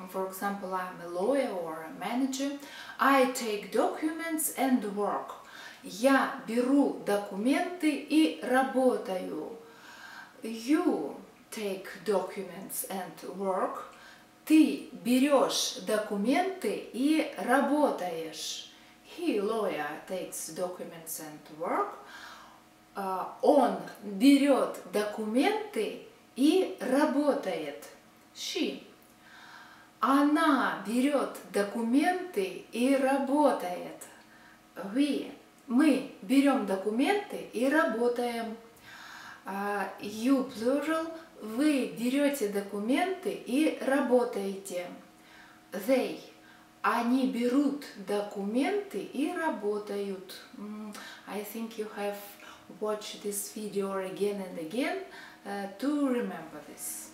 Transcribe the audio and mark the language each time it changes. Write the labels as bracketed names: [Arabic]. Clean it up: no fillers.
[English] For example, I'm a lawyer or a manager. I take documents and work. [Russian] Я беру документы и работаю. [English] You take documents and work. [Russian] Ты берешь документы и работаешь. [English] He, lawyer, takes documents and work. [Russian] Он берет документы и работает. [English] She. [Russian] Она берет документы и работает. [English] We. [Russian] Мы берем документы и работаем. [English] You plural. [Russian] Вы берете документы и работаете. [English] They. [Russian] Они берут документы и работают. [English] I think you have watched this video again and again to remember this.